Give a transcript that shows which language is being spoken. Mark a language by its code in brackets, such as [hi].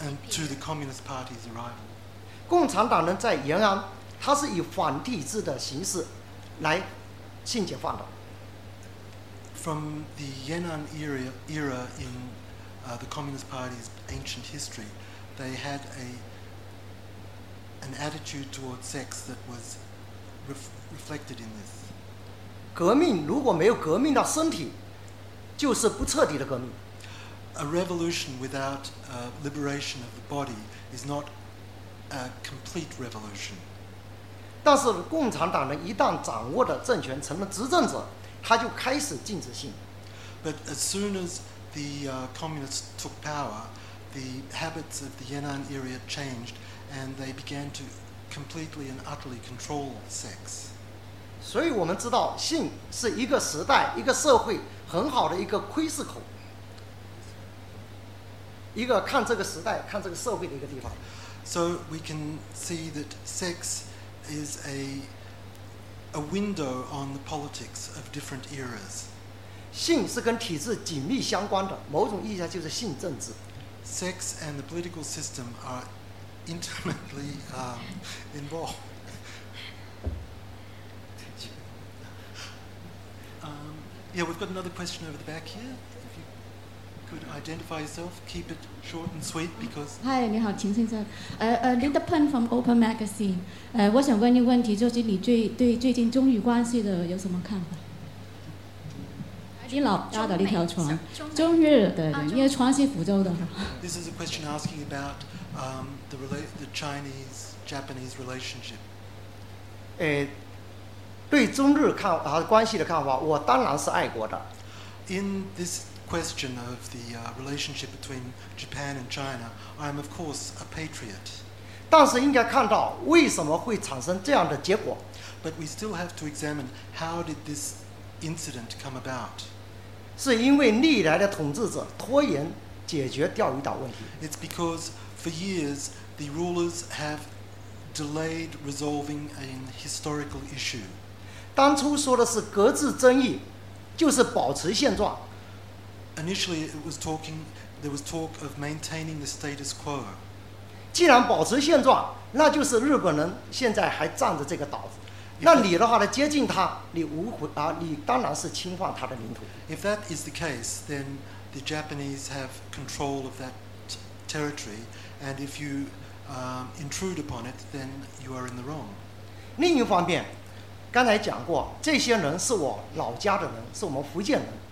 [en] to the Communist Party's arrival. [zh] 共产党人在延安，他是以反体制的形式来性解放的。 [en] From the Yan'an era in the Communist Party's ancient history, they had an attitude towards sex that was reflected in this. [zh] 革命如果没有革命到身体，就是不彻底的革命。 [en] A revolution without liberation of the body is not a complete revolution. [zh] 但是共产党人一旦掌握了政权，成了执政者，他就开始禁止性。 [en] But as soon as the communists took power, the habits of the Yan'an area changed, and they began to completely and utterly control sex. [zh] 所以我们知道，性是一个时代、一个社会很好的一个窥视口，一个看这个时代、看这个社会的一个地方。 [en] So we can see that sex is a window on the politics of different eras. [zh] 性是跟体制紧密相关的，某种意义上就是性政治。 [en] Sex and the political system are intimately involved. 、yeah, we've got another question over the back here. If you could identify yourself, keep it short and sweet because. [zh] Hi, 你好，秦先生。 [en] Linda Pen from Open Magazine. [zh] 我想问一个问题，就是你对最近中美关系的有什么看法？你老搭的那条船，中日的，因为船是福州的。 [en] This is a question asking about the Chinese-Japanese relationship. [zh] 对中日关系的看法，我当然是爱国的。 [en] In this question of the relationship between Japan and China, I am of course a patriot. [zh] 但是应该看到为什么会产生这样的结果。 [en] But we still have to examine how did this incident come about. [zh] 是因为历来的统治者拖延解决钓鱼岛问题。 [en] It's because for years the rulers have delayed resolving an historical issue. [zh] 当初说的是搁置争议，就是保持现状。 [en] Initially it was talking, there was talk of maintaining the status quo. [zh] 既然保持现状，那就是日本人现在还占着这个岛。那你的话呢？接近他，你当然是侵犯他的领土。 [en] If that is the case, then the Japanese have control of that territory, and if you intrude upon it, then you are in the wrong. [zh] 另一方面，刚才讲过，这些人是我老家的人，是我们福建人。